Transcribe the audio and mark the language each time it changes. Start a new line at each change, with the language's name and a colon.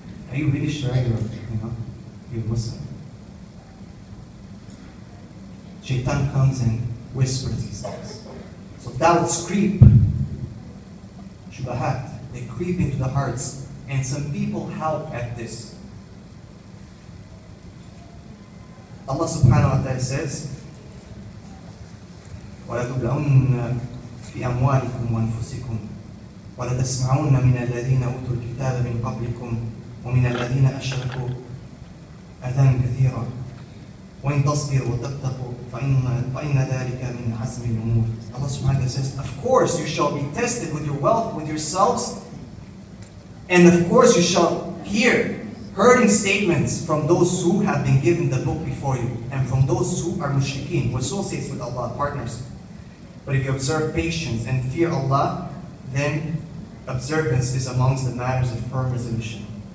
English: Are you really sure you're Muslim? Shaitan comes and whispers these things. So doubts creep. Shubahat, they creep into the hearts, and some people help at this.
Arabic: Allah subhanahu wa ta'ala says, وَلَتُبْلَعُنَّ فِي أَمْوَالِكُمْ وَأَنفُسِكُمْ وَلَتَسْمَعُنَّ مِنَ الَّذِينَ أُوتُوا الْكِتَابَ مِنْ قَبْلِكُمْ وَمِنَ الَّذِينَ أَشْرَكُوا أَذًى كَثِيرًا وَإِنْ تَصْبِرُوا وَتَتَّقُوا فَإِنَّ ذَلِكَ مِنْ عَزْمِ الْأُمُورِ.
English: Allah subhanahu wa ta'ala says, of course you shall be tested with your wealth, with yourselves, and of course you shall hear hurting statements from those who have been given the book before you, and from those who are mushrikeen, who associates with Allah, partners. But if you observe patience and fear Allah, then observance is amongst the matters of firm resolution.